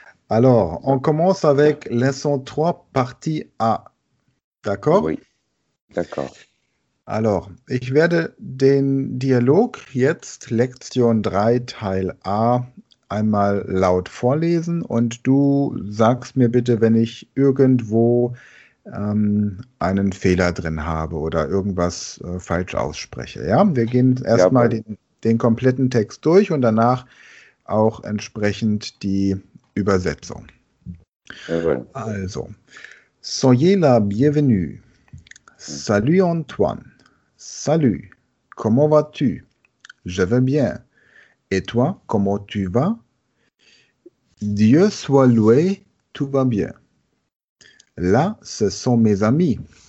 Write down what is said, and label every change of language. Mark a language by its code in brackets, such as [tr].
[fr] Alors, on commence avec leçon 3, partie A. D'accord? Oui, d'accord. [de] Alors, ich werde den Dialog jetzt, Lektion 3, Teil A, einmal laut vorlesen und du sagst mir bitte, wenn ich irgendwo einen Fehler drin habe oder irgendwas falsch ausspreche. Ja, wir gehen erstmal den kompletten Text durch und danach auch entsprechend die Übersetzung. Jawohl. [fr] Also, soyez la bienvenue. Salut Antoine. Salut, comment vas-tu? Je vais bien. Et toi, comment tu vas? Dieu soit loué, tout va bien. Là, ce sont mes amis.